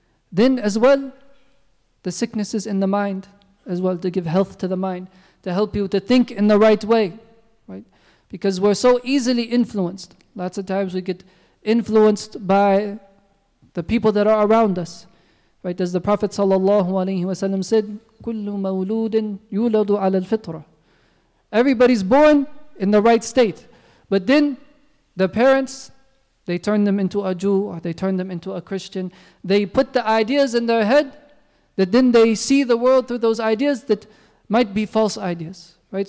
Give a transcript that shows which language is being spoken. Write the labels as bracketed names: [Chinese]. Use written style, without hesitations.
[English] Then as well, the sicknesses in the mind as well, to give health to the mind, to help you to think in the right way. Because we're so easily influenced. Lots of times we get influenced by the people that are around us. Right? As the Prophet ﷺ said, [Arabic] كُلُّ مَوْلُودٍ يُولَدُ عَلَى الْفِطْرَةِ. [English] Everybody's born in the right state. But then the parents, they turn them into a Jew, or they turn them into a Christian. They put the ideas in their head that then they see the world through those ideas that might be false ideas. Right?